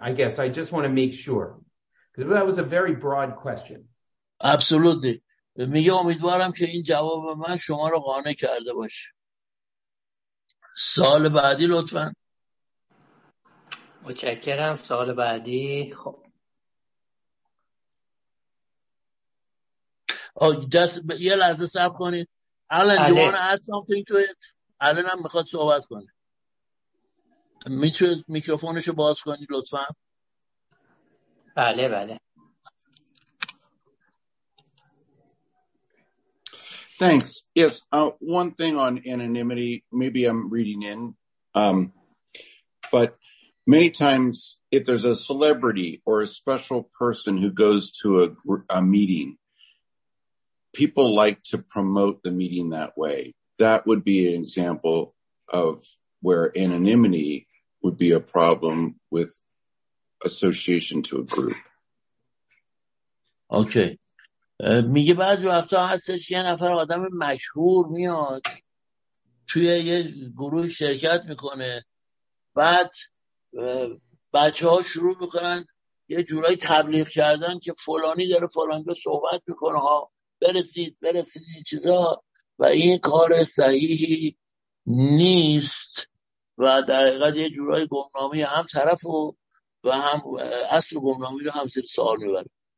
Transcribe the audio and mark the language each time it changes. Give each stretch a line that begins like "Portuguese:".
English: I guess I just want to make sure, because that was a very broad question. Absolutely.
Persian: میگه امیدوارم که این جواب من شما رو قانع کرده باشه. سال بعدی لطفاً. متشکرم. سال بعدی. خب.
English: Oh, just
Persian: یه لحظه صبر کنید.
English: Alan, do you want to add something to it?
Persian: Alan هم میخواد صحبت کنه. میتونید میکروفونشو باز کنید لطفا؟ بله بله.
English: Thanks. Yes, one thing on anonymity, maybe I'm reading in, but many times if there's a celebrity or a special person who goes to a meeting, people like to promote the meeting that way. That would be an example of where anonymity would be a problem with association to a group. Okay.
Persian: میگه بعضی وقتا هستش یه نفر آدم مشهور میاد توی یه گروه شرکت میکنه، بعد بچه‌ها شروع میکنن یه جورای تبلیغ کردن که فلانی داره فلانجا صحبت میکنه، ها برسید برسید این چیزا، و این کار صحیحی نیست و در حقیقت یه جورای گمنامی هم طرف رو و هم اصل گمنامی رو هم زیر سوال میبره.